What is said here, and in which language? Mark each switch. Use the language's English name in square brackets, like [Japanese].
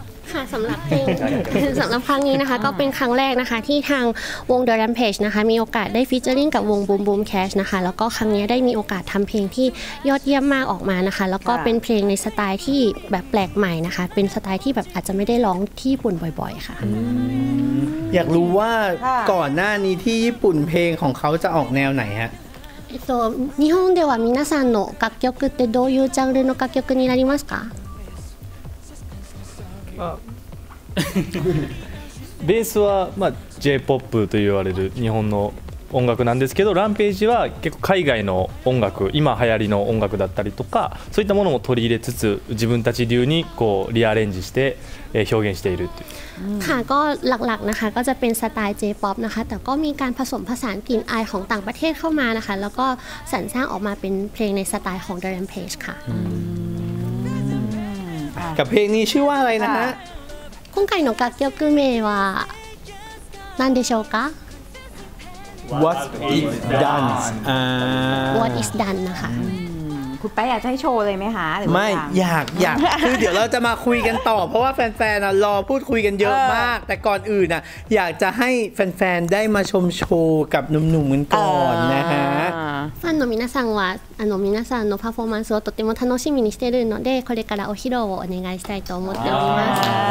[Thai] ค่ะสำหรับครั้งนี้นะคะก็เป็นครั้งแรกนะคะที่ทางวง The Rampage นะคะมีโอกาสได้ฟีเจอริ่งกับวง Boom Boom Cash นะคะแล้วก็ครั้งนี้ได้มีโอกาสทำเพลงที่ยอดเยี่ยมมากออกมานะคะแล้วก็เป็นเพลงในสไตล์ที่แบบแปลกใหม่นะคะเป็นสไตล์ที่แบบอาจจะไม่ได้ร้องที่ญี่ปุ่นบ่อยๆค่ะ อยากรู้ว่าก่อนหน้านี้ที่ญี่ปุ่นเพลงของเขาจะออกแนวไหนฮะ [Japanese] 日本では皆さんの楽曲ってどういうジャンルの楽曲になりますかベースは、まあ、J-POP と言われる日本の音楽なんですけど、ランページは結構海外の音楽、今流行りの音楽だったりとか、そういったものも取り入れつつ、自分たち流にこうリアレンジして表現しているっていう。 [Thai] ค่ะก็หลักๆนะคะก็จะเป็นสไตล์ J-POP นะคะแต่ก็มีการผสมผสานกลิ่นอายของต่างประเทศเข้ามานะคะแล้วก็สรรสร้างออกมาเป็นเพลงในสไตล์ของ The Rampage ค่ะ กับเพลงนี้ชื่อว่าอะไรนะฮะ [Japanese] 今回の [Thai] กักเกียวกุเมว่า [Japanese] 何でしょうか [English] What is done [Thai] What is done นะคะ คุณแป๊ะอยากให้โชว์เลยไหมคะหรือ ว่าไม่อยากคือเดี๋ยวเราจะมาคุยกันต่อเพราะว่าแฟนๆนะรอพูดคุยกันเยอะมากแต่ก่อนอื่นนะอยากจะให้แฟนๆได้มาชมโชว์กับหนุ่มๆกันก่อนนะฮะ [Japanese] ファンの皆さんはあの皆さんのパフォーマンスをとても楽しみにしているのでこれからお披露をお願いしたいと思っております。